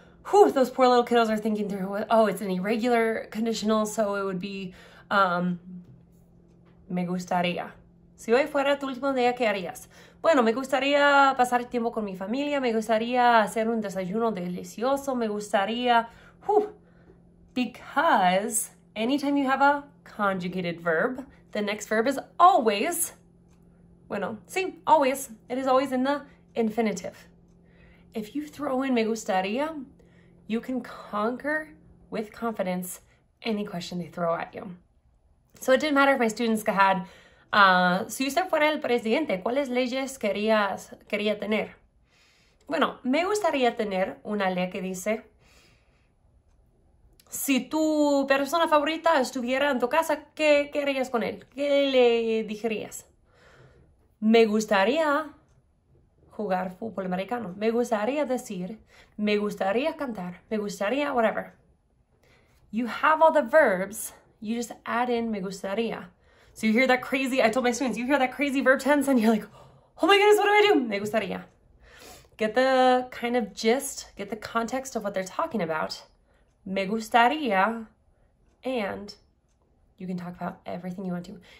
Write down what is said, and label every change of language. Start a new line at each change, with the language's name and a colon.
English: Whew, those poor little kiddos are thinking through, oh, it's an irregular conditional, so it would be
Spanish: me gustaría. Si hoy fuera tu último día, ¿qué harías? Bueno, me gustaría pasar tiempo con mi familia, me gustaría hacer un desayuno delicioso, me gustaría.
English: Whew, because anytime you have a conjugated verb, the next verb is always,
Spanish: bueno, sí,
English: always. It is always in the infinitive. If you throw in
Spanish: me gustaría,
English: you can conquer with confidence any question they throw at you. So it didn't matter if my students had,
Spanish: si usted fuera el presidente, ¿cuáles leyes quería tener? Bueno, me gustaría tener una ley que dice, si tu persona favorita estuviera en tu casa, ¿qué harías con él? ¿Qué le dirías? Me gustaría jugar fútbol americano. Me gustaría decir, me gustaría cantar, me gustaría whatever.
English: You have all the verbs, you just add in
Spanish: me gustaría.
English: So you hear that crazy, I told my students, you hear that crazy verb tense and you're like, oh my goodness, what do I do?
Spanish: Me gustaría.
English: Get the kind of gist, get the context of what they're talking about.
Spanish: Me gustaría.
English: And you can talk about everything you want to.